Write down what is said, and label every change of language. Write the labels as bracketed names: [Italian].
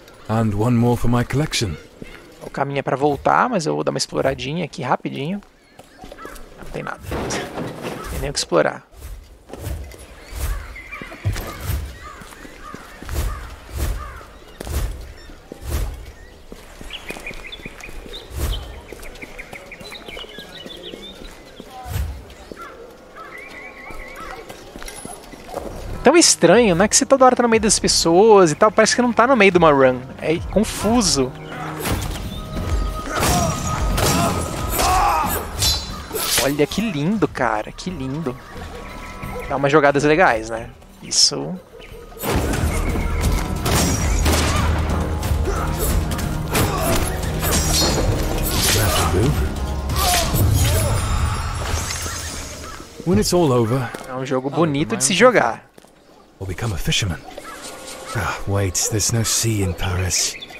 [English] And one more for my collection. [Portuguese] O caminho é pra voltar, mas eu vou dar uma exploradinha aqui rapidinho. Não tem nada. Não tem nem o que explorar. É tão estranho, né? Que você toda hora tá no meio das pessoas e tal. Parece que não tá no meio de uma run. É confuso. Olha que lindo, cara. Que lindo. Dá umas jogadas legais, né? Isso. [English] When it's all over, [Portuguese] é um jogo bonito de se jogar. [English] I'll become a fisherman. Ah, wait, there's no sea in Paris.